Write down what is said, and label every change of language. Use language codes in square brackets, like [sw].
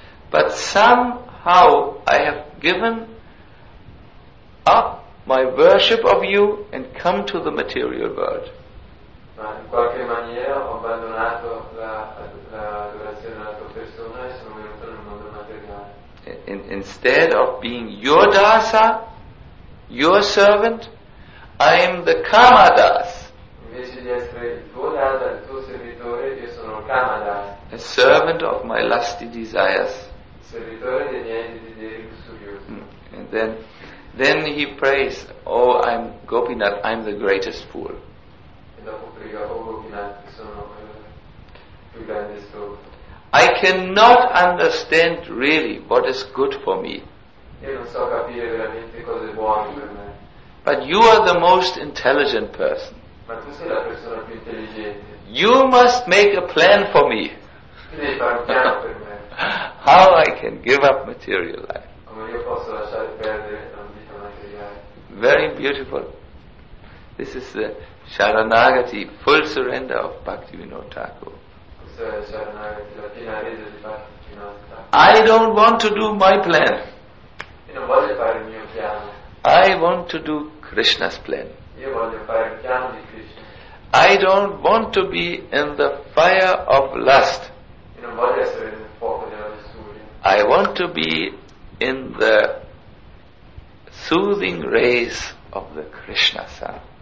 [en] But somehow I have given up my worship of you and come to the material world. [it] Ma in qualche maniera ho abbandonato la adorazione alla tua persona e sono venuto nel mondo materiale. [en] Instead of being your dasa, your servant, I am the Kamadas. [it] Invece di essere il tuo dasa, il tuo servitore, io sono il Kamadas. [en] A servant of my lusty desires. [it] Servitore dei miei desideri lussuriosi. [en] And then he prays, "Oh, I'm Gopinath. I'm the greatest fool." [it] E dopo prega, "Oh Gopinath, sono il più grande stupido." [en] I cannot understand really what is good for me. [it] Io non so capire veramente cosa è buono per me. [en] But you are the most intelligent person. [it] Ma tu sei la persona più intelligente. [en] You must make a plan for me. [it] Devi fare un piano per me. [en] How I can give up material life. [it] Come io posso lasciare perdere la vita materiale. [en] Very beautiful. This is the Sharanagati, full surrender of Bhaktivinoda Thakur. [it] Questa è Sharanagati, la piena resa di Bhaktivinoda [en] Thakur. I don't want to do my plan. [it] Io non voglio fare il mio piano. [en] I want to do Krishna's plan. [it] Io voglio fare il piano di Krishna. [en] I don't want to be in the fire of lust. [it] Io non voglio essere nel fuoco della lussuria. [en] I want to be in the soothing rays of the Krishna sun.